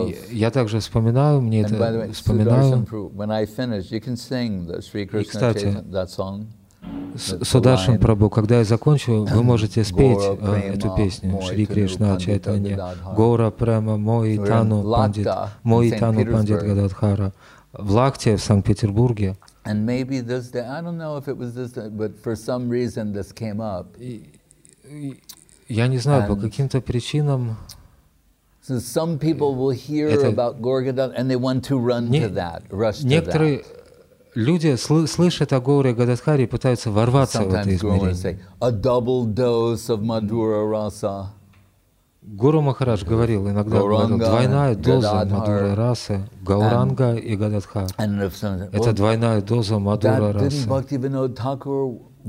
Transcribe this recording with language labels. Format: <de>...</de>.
<ru>Я также вспоминаю, мне это вспоминаю. И, кстати, Сударшан Прабху, когда я закончу, вы можете спеть эту песню «Шри Кришна Чайтанья» «Гора Према Моитану Пандит Гададхара». В Лахте, в Санкт-Петербурге.</ru> <en>And maybe this day, I don't know if it was this day, but for some reason this came up.</en> <ru>Я не знаю, по каким-то причинам.</ru> <en>So some people will hear about Gorgadat and they want to run to that, rush to that.</en> <ru>Некоторые люди слышат о Горе Гададхаре и пытаются ворваться в это измерение.</ru> <en>A double dose of Madhura Rasa.</en> <ru>Гуру Махарадж говорил иногда, двойная доза Мадхура Расы, Гауранга и Гададхар. Это двойная доза Мадхура Расы.</ru>